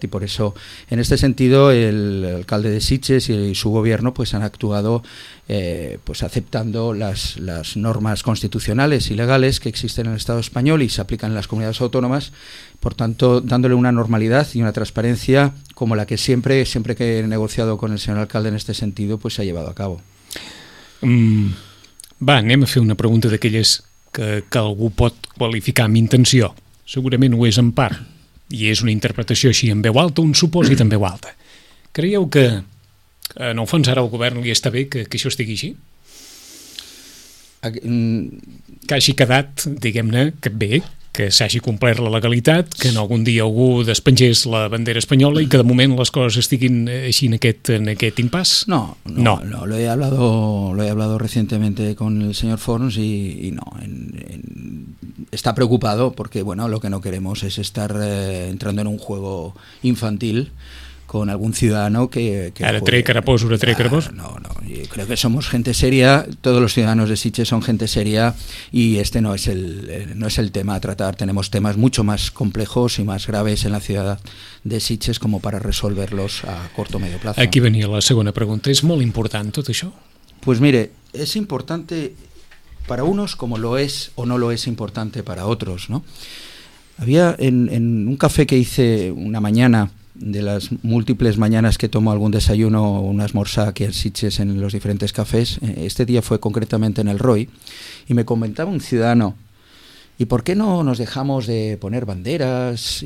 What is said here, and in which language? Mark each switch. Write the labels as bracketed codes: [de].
[es] Y por eso, en este sentido, el alcalde de Sitges y su gobierno pues han actuado pues aceptando las normas constitucionales y legales que existen en el Estado español y se aplican en las comunidades autónomas, por tanto, dándole una normalidad y una transparencia como la que siempre que he negociado con el señor alcalde en este sentido, pues se ha llevado a cabo. [ca] Va, anem a fer una pregunta d'aquelles que algú pot qualificar amb intenció. Segurament ho és en part, i és una interpretació així en veu alta, un supòsit en veu alta. Creieu que, en el fons, ara al govern li està bé que això estigui així? Que hagi quedat, diguem-ne, que bé, que s'hagi complert la legalitat, que en algun dia algú despengés la bandera espanyola i que de moment les coses estiguin així en aquest impàs? [es] No. Lo he hablado recientemente con el señor Forns y no. Está preocupado porque, bueno, lo que no queremos es estar entrando en un juego infantil con algún ciudadano que ara tre carapós, ara tre carapós. No, yo creo que somos gente seria, todos los ciudadanos de Sitges son gente seria y este no es el tema a tratar. Tenemos temas mucho más complejos y más graves en la ciudad de Sitges como para resolverlos a corto o medio plazo. [ca] Aquí venia la segona pregunta, ¿es molt important tot això? [es] Pues mire, es importante para unos como lo es o no lo es importante para otros, ¿no? Había en un café que hice una mañana, de las múltiples mañanas que tomo algún desayuno o una esmorsa aquí en Sitges en los diferentes cafés, este día fue concretamente en el ROI, y me comentaba un ciudadano, ¿y por qué no nos dejamos de poner banderas?